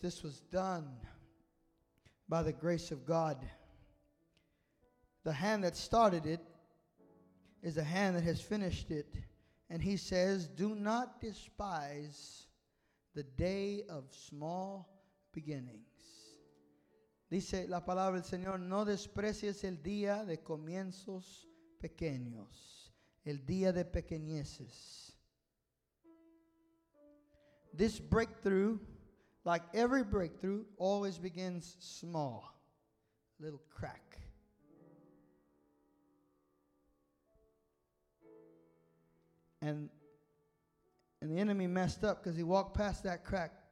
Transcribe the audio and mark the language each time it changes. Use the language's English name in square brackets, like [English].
[English] This was done by the grace of God. The hand that started it is a hand that has finished it. And he says, do not despise the day of small beginnings. [Spanish] Dice la palabra del Señor, no desprecies el día de comienzos pequeños. El día de pequeñeces. [English] This breakthrough, like every breakthrough, always begins small. Little crack. And the enemy messed up because he walked past that crack.